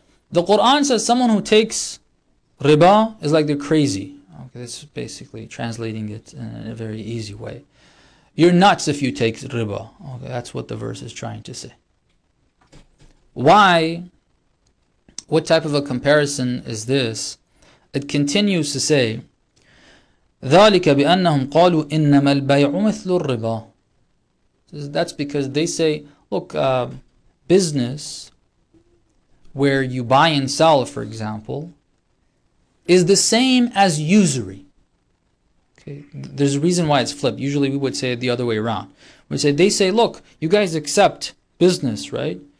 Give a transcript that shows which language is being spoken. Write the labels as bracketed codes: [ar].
[en] The Quran says someone who takes riba is like they're crazy. Okay, this is basically translating it in a very easy way. You're nuts if you take riba. Okay, that's what the verse is trying to say. Why? What type of a comparison is this? It continues to say, [ar] ذَلِكَ بِأَنَّهُمْ قَالُوا إِنَّمَا الْبَيْعُ مِثْلُ الرِّبَى. [en] That's because they say, look, business where you buy and sell, for example, is the same as usury. Okay, there's a reason why it's flipped. Usually we would say it the other way around. We say, they say, look, you guys accept business, right?